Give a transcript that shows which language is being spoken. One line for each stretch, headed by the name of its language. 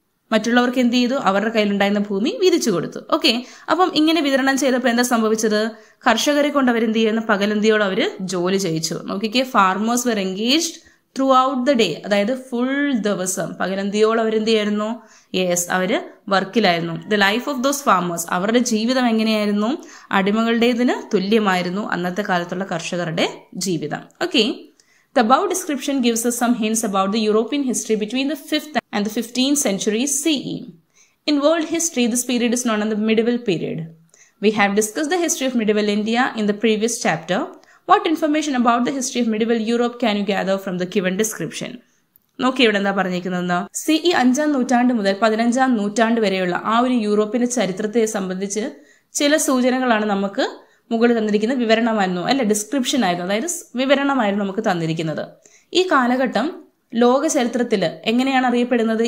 Malayalam: മറ്റുള്ളവർക്ക് എന്ത് ചെയ്തു അവരുടെ കയ്യിലുണ്ടായിരുന്ന ഭൂമി വീതിച്ചു കൊടുത്തു ഓക്കെ അപ്പം ഇങ്ങനെ വിതരണം ചെയ്തപ്പോൾ എന്താ സംഭവിച്ചത് കർഷകരെ കൊണ്ട് അവരെന്ത് ചെയ്യുന്നു പകലന്തിയോട് അവർ ജോലി ചെയ്യിച്ചു നോക്കിക്കേ
English: farmers were engaged throughout the day
Malayalam: അതായത് ഫുൾ ദിവസം പകലന്തിയോട് അവരെന്ത് ചെയ്യായിരുന്നു യെസ് അവര് വർക്കിലായിരുന്നു
English: the life of those farmers
Malayalam: അവരുടെ ജീവിതം എങ്ങനെയായിരുന്നു അടിമകളുടേതിന് തുല്യമായിരുന്നു അന്നത്തെ കാലത്തുള്ള കർഷകരുടെ ജീവിതം okay
English: The above description gives us some hints about the European history between the 5th and the 15th centuries CE. In world history, this period is known as the medieval period. We have discussed the history of medieval India in the previous chapter. What information about the history of medieval Europe can you gather from the given description?
Malayalam: നോക്കി ഇവിടെ എന്താ പറഞ്ഞിരിക്കുന്നത്, CE 5-ാം നൂറ്റാണ്ട് മുതൽ 15-ാം നൂറ്റാണ്ട് വരെയുള്ള ആ ഒരു യൂറോപ്പിന്റെ ചരിത്രത്തെ സംബന്ധിച്ച് ചില സൂചനകളാണ് നമുക്ക് മുകളിൽ തന്നിരിക്കുന്ന വിവരണമായിരുന്നു, അല്ലെ,
English: description ആയിരുന്നു,
Malayalam: അതായത് വിവരണമായിരുന്നു നമുക്ക് തന്നിരിക്കുന്നത്. ഈ കാലഘട്ടം ലോക ചരിത്രത്തിൽ എങ്ങനെയാണ് അറിയപ്പെടുന്നത്?